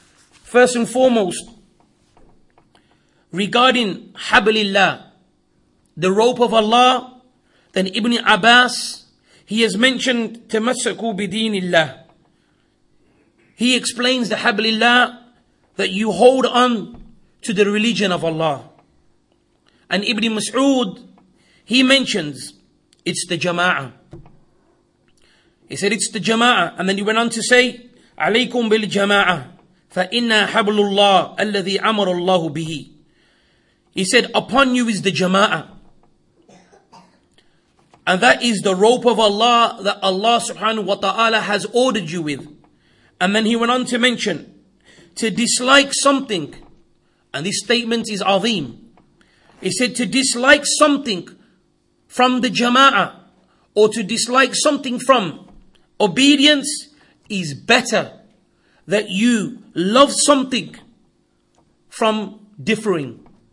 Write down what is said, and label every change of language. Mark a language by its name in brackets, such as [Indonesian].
[English] First and foremost, regarding Hablillah, the rope of Allah, then Ibn Abbas, he has mentioned Tamassaku bidinillah. He explains the Hablillah that you hold on to the religion of Allah. And Ibn Mas'ud, he mentions it's the Jama'ah. He said it's the Jama'ah. And then he went on to say, [Arabic] عَلَيْكُمْ بِالْجَمَاعَةِ فَإِنَّا حَبْلُ اللَّهِ الَّذِي أَمَرُ اللَّهُ بِهِ. [English] He said, upon you is the Jama'ah. And that is the rope of Allah that Allah subhanahu wa ta'ala has ordered you with. And then he went on to mention, to dislike something. And this statement is azim. He said to dislike something from the jama'ah, or to dislike something from obedience, is better that you love something from differing.